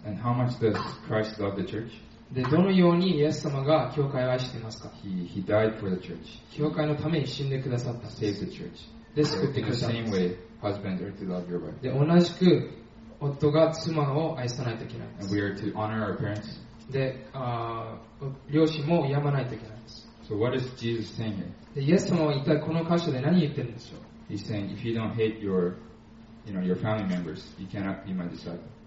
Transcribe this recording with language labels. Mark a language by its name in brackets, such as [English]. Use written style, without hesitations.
[English] And how much does Christ love the church? [Japanese] で、どのようにイエス様が教会を愛していますか。 [English] He died for the church. [Japanese] 教会のために死んでくださったんです。 [English] Save the church. [Japanese] で、救ってくださったんです。 [English] In the same way, husbands are to love your wife. [Japanese] で、同じく夫が妻を愛さないといけないんです。 [English] And we are to honor our parents. [Japanese] で、両親も敬わないといけないんです。 [English] So what is Jesus saying here? [Japanese] イエス様は一体この箇所で何言ってるんでしょう。 [English] He's saying, if you don't hate your, you know, your family members, you cannot be my disciple.